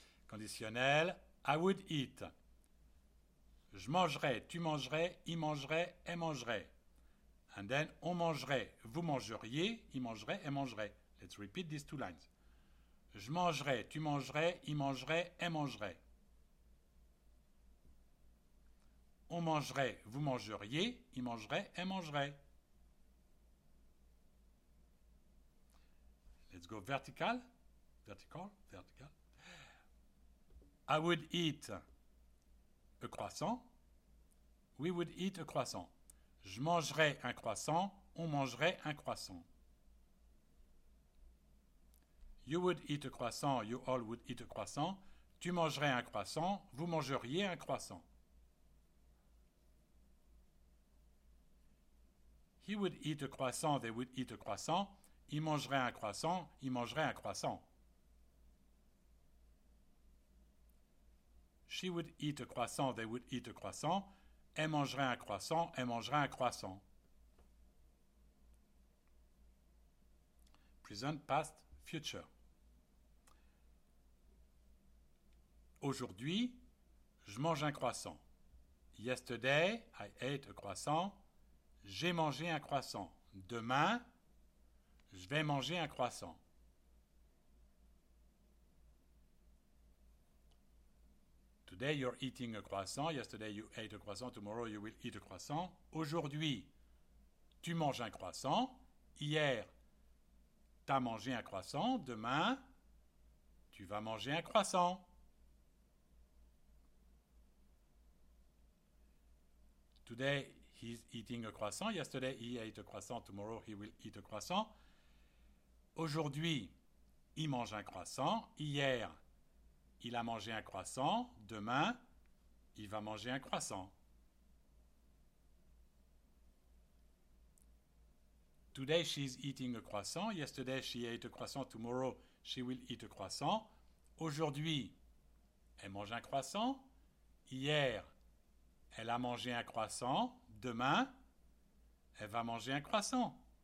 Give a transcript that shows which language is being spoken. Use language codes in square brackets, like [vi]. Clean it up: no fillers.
[en] Conditionnel, I would eat. [fr] Je mangerai, tu mangerais, il mangerait, elle mangerait. [en] And then, [fr] on mangerait, vous mangeriez, il mangerait, elle mangerait. [en] Let's repeat these two lines. [fr] Je mangerai, tu mangerais, il mangerait, elle mangerait. On mangerait, vous mangeriez, il mangerait, elle mangerait. [en] Let's go vertical. Vertical, vertical. I would eat a croissant. We would eat a croissant. [fr] Je mangerais un croissant. On mangerait un croissant. [en] You would eat a croissant. You all would eat a croissant. [fr] Tu mangerais un croissant. Vous mangeriez un croissant. [en] He would eat a croissant. They would eat a croissant. [fr] Il mangerait un croissant. Il mangerait un croissant. [en] She would eat a croissant. They would eat a croissant. [fr] Elle mangerait un croissant, elle mangerait un croissant. [en] Present, past, future. [fr] Aujourd'hui, je mange un croissant. [en] Yesterday, I ate a croissant. [fr] J'ai mangé un croissant. Demain, je vais manger un croissant. [en] Today you're eating a croissant. Yesterday you ate a croissant. Tomorrow you will eat a croissant. [fr] Aujourd'hui, tu manges un croissant. Hier, tu as mangé un croissant. Demain, tu vas manger un croissant. [en] Today he's eating a croissant. Yesterday he ate a croissant. Tomorrow he will eat a croissant. [fr] Aujourd'hui, il mange un croissant. Hier, il a mangé un croissant. Demain, il va manger un croissant. [en] Today, she's eating a croissant. Yesterday, she ate a croissant. Tomorrow, she will eat a croissant. [fr] Aujourd'hui, elle mange un croissant. Hier, elle a mangé un croissant. Demain, elle va manger un croissant.